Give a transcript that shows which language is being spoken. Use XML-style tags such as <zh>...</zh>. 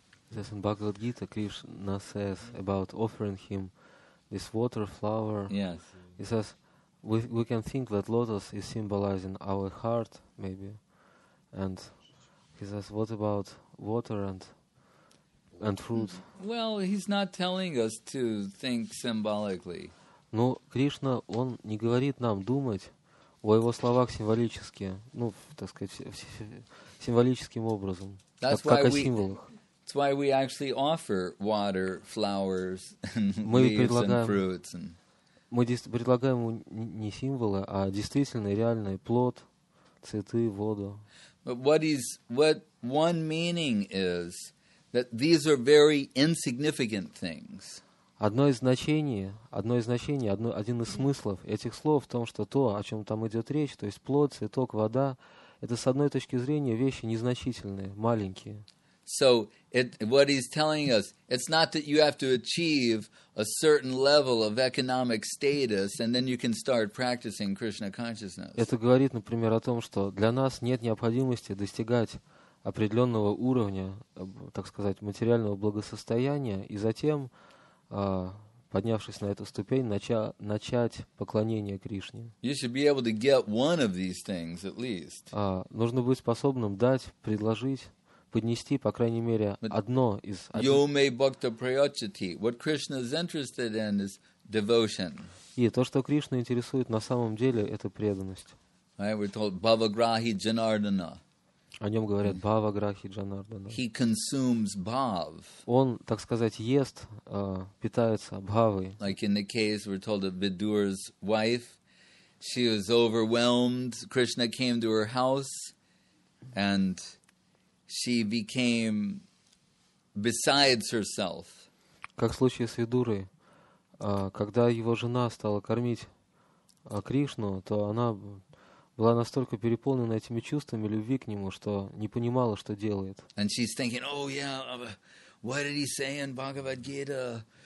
<en>This in Bhagavad Gita, Krishna says about offering him this water flower. Yes. He says, we can think that lotus is symbolizing our heart, maybe. And he says, what about water and fruit? Well, he's not telling us to think symbolically.</en> <ru>Ну, Кришна, он не говорит нам думать о его словах символически, ну, так сказать, символическим образом, как о символах.</ru> <en>That's why we actually offer water, flowers, leaves and fruits.</en> <ru>Мы предлагаем не символы, а действительно реальный плод, цветы, воду.</ru> <en>But what one meaning is that these are very insignificant things.</en> <ru>Один из смыслов этих слов в том, что то, о чем там идет речь, то есть плод, цветок, вода, это с одной точки зрения вещи незначительные, маленькие.</ru> <en>So what he's telling us, it's not that you have to achieve a certain level of economic status and then you can start practicing Krishna consciousness.</en> <ru>Это говорит, например, о том, что для нас нет необходимости достигать определенного уровня, так сказать, материального благосостояния и затем, поднявшись на эту ступень, начать поклонение Кришне.</ru> <en>You should be able to get one of these things at least.</en> <ru>Нужно быть способным дать, предложить, поднести, по крайней мере, одно из...</ru> <sa>Yomei bhakta prayachati.</sa> <en>What Krishna is interested in is devotion.</en> <ru>И то, что Кришна интересует на самом деле, это преданность.</ru> <en>Right, we're told bhavagrahi janardana.</en> <ru>О нем говорят бхаваграхи джанардана.</ru> <en>He consumes bhav.</en> <ru>Он, так сказать, ест, питается бхавой.</ru> <en>Like in the case, we're told of Vidura's wife. She was overwhelmed. Krishna came to her house and... She became besides herself.</en> <ru>Как в случае с Видурой, когда его жена стала кормить Кришну, то она была настолько переполнена этими чувствами любви к нему, что не понимала, что делает.</ru> <en>And she's thinking, oh yeah, what did he say in Bhagavad Gita?</en>